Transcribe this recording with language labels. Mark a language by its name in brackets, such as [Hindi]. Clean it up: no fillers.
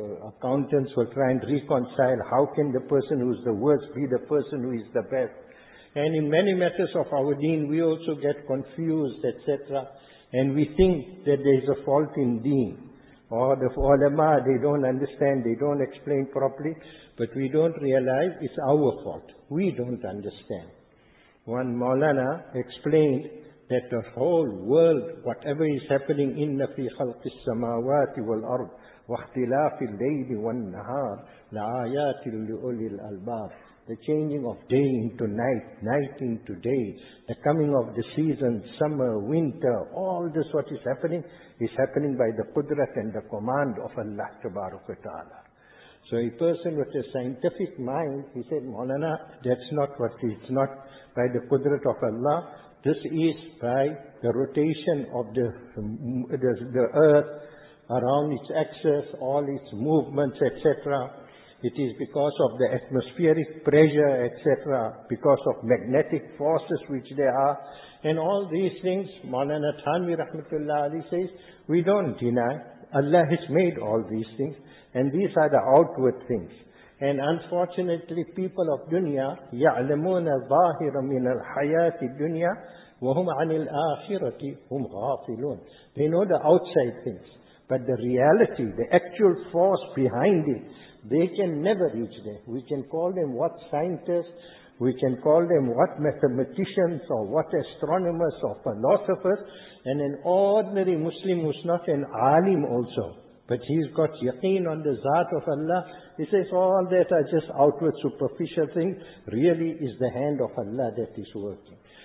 [English] Accountants will try and reconcile, how can the person who is the worst be the person who is the best? And in many matters of our deen, we also get confused, etc. And we think that there is a fault in deen, or the ulama, they don't understand, they don't explain properly, but we don't realize it's our fault. We don't understand. One Maulana explained that the whole world, whatever is happening, [Arabic] إِنَّ فِي خَلْقِ السَّمَاوَاتِ وَالْأَرْضِ وَاخْتِلَافِ اللَّيْلِ وَالنَّهَارِ لَآيَاتٍ لِأُولِي الْأَلْبَابِ. [English] The changing of day into night, night into day, the coming of the season, summer, winter, all this what is happening by the qudrat and the command of Allah tabarak wa ta'ala. So a person with a scientific mind, he said, Maulana, that's not what it's not by the qudrat of Allah. This is by the rotation of the earth around its axis, all its movements, etc. It is because of the atmospheric pressure, etc., because of magnetic forces which there are. And all these things, Maulana Thanvi Rahmatullah Ali says, we don't deny. Allah has made all these things. And these are the outward things. And unfortunately, people of dunya, [Arabic] يَعْلَمُونَ الظَّاهِرَ مِنَ الْحَيَاةِ الدُّنْيَا وَهُمْ عَنِ الْآخِرَةِ هُمْ غَافِلُونَ. [English] They know the outside things. But the reality, the actual force behind it, they can never reach there. We can call them what scientists, we can call them what mathematicians or what astronomers or philosophers, and an ordinary Muslim who's not an alim also, but he's got yaqeen on the zaat of Allah, he says all that are just outward superficial things, really is the hand of Allah that is working.